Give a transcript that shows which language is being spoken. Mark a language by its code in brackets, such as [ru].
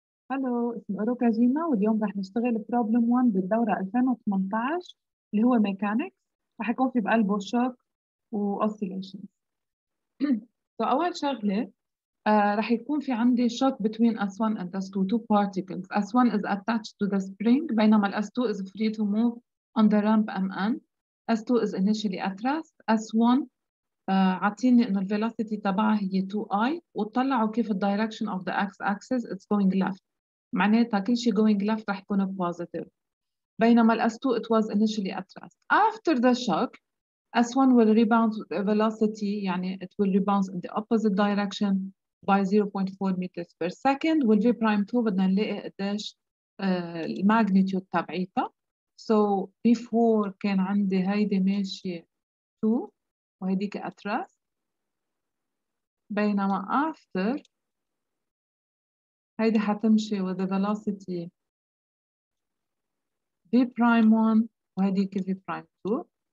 [ar] هلو، اسمي أروكا جيما، واليوم رح نشتغل بروبلم 1 بالدورة 2018 اللي هو ميكانيكس. رح يكون في بقلبه شوك وأوسيليشن. سو أول شغلة رح يكون في عندي شوك [en] between S1 and S2 two particles. S1 is attached to the spring [ar] بينما ال [en] S2 is free to move on the ramp MN. S2 is initially at rest. S1 [ar] عطيني إنه ال [en] velocity [ar] تبعها هي 2i، وطلعوا كيف ال [en] direction of the x axis it's going left. [ar] معناتها كل شيء [en] going left [ar] رح يكون [en] positive، [ar] بينما ال [en] S2 it was initially at rest. After the shock, S1 will rebound with a velocity، [ar] يعني [en] it will rebound in the opposite direction by 0.4 meters per second. [ar] وال V prime 2 بدنا نلاقي قديش الماجنيتيود تبعيتها. [en] So before [ar] كان عندي هيدي ماشية 2 وهيديك [en] at rest، [ar] بينما [en] after [ar] هيدي حتمشي [en] with the velocity v prime 1 وهيديك v prime 2.